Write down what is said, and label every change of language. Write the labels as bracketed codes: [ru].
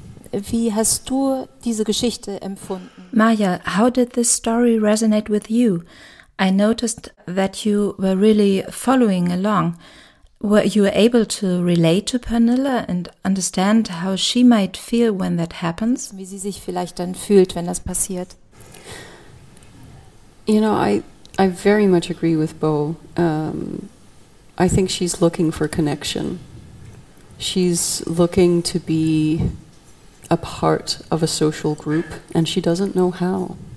[de] Wie hast du diese Geschichte empfunden? [en] Maya, how did this story resonate with you? I noticed that you were really following along. Were you able to relate to Pernilla and understand how she might feel when that happens? [de] Wie sie sich vielleicht dann fühlt, wenn das passiert. [en] You know, I very much agree with Bo. I think she's looking for connection. She's looking to be a part of a social group, and she doesn't know how.